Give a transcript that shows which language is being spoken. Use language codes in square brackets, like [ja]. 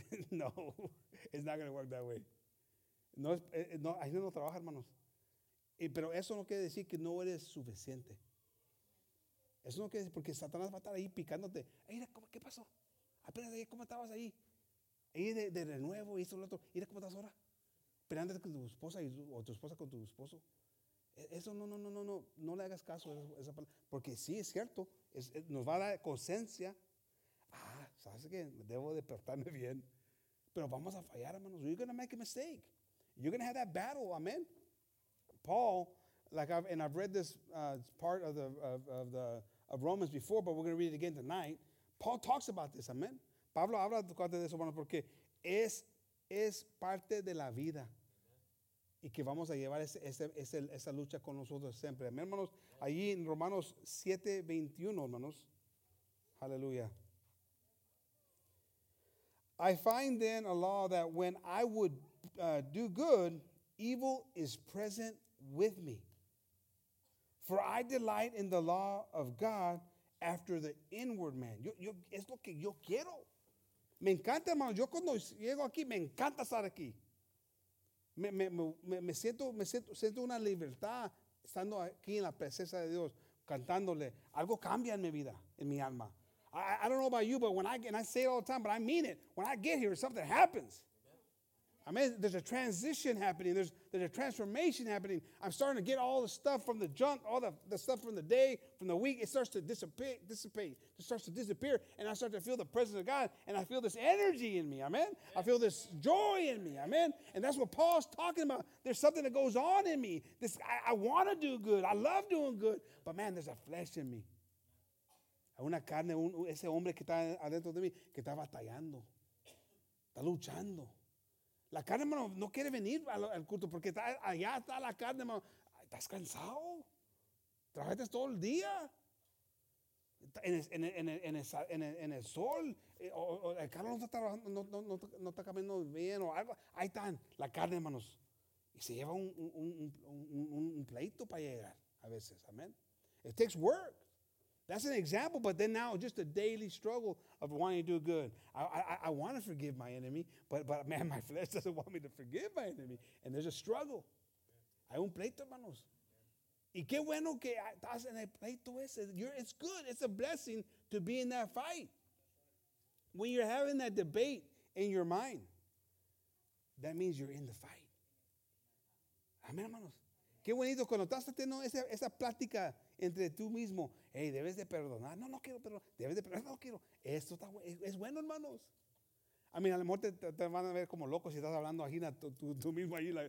[en] No, it's not going to work that way. [es] No, ahí no trabaja, hermanos. Pero eso no quiere decir que no eres suficiente. Eso no quiere decir porque Satanás va a estar ahí picándote. Mira, ¿qué pasó? Apenas ahí, ¿cómo estabas ahí? Y de renuevo, y esto y lo otro. Mira, ¿cómo estás ahora? Esperando con tu esposa y, o tu esposa con tu esposo. Eso no le hagas caso a esa palabra. Porque sí, es cierto. Nos va a dar conciencia. Ah, ¿sabes qué? Debo despertarme bien. Pero vamos a fallar, hermanos. [en] You're going to make a mistake. You're going to have that battle. Amen. Paul, I've read this part of Romans before, but we're going to read it again tonight. Paul talks about this. Amen. [es] Pablo habla de eso, hermanos, porque es parte de la vida. Y que vamos a llevar esa lucha con nosotros siempre. Amén, hermanos. Allí en Romanos 7:21, hermanos. Aleluya. [en] I find then a law that when I would do good, evil is present with me. For I delight in the law of God after the inward man. [es] Yo es lo que yo quiero. Me encanta, hermano. Yo cuando llego aquí, me encanta estar aquí. Me siento una libertad estando aquí en la presencia de Dios, cantándole. Algo cambia en mi vida, en mi alma. [en] I don't know about you, but when I say it all the time, but I mean it. When I get here, something happens. I mean, there's a transition happening. There's a transformation happening. I'm starting to get all the stuff from the junk, all the stuff from the day, from the week. It starts to dissipate. It starts to disappear, and I start to feel the presence of God, and I feel this energy in me. Amen? I feel this joy in me. Amen? And that's what Paul's talking about. There's something that goes on in me. I want to do good. I love doing good. But, man, there's a flesh in me. [es] Hay una carne, ese hombre que está adentro de mí, que está batallando, está luchando. La carne, hermano, no quiere venir al culto porque allá está la carne, hermano. ¿Estás cansado? ¿Trabajaste todo el día? En el sol, o el carro no está trabajando, no está caminando bien o algo. Ahí están, la carne, hermanos. Y se lleva un pleito para llegar a veces, amén. [en] It takes work. That's an example, but then now just a daily struggle of wanting to do good. I want to forgive my enemy, but man, my flesh doesn't want me to forgive my enemy. And there's a struggle. [es] Hay un pleito, hermanos. Y qué bueno que estás en el pleito ese. [en] It's good. It's a blessing to be in that fight. When you're having that debate in your mind, that means you're in the fight. [es] Amén, hermanos. Qué bonito cuando estás teniendo esa plática entre tú mismo. Hey, debes de perdonar. No quiero perdonar. Debes de perdonar. No quiero. Esto está bueno. Es bueno, hermanos. [en] I mean, [es] a lo mejor te van a ver como loco si estás hablando ahí tú mismo ahí.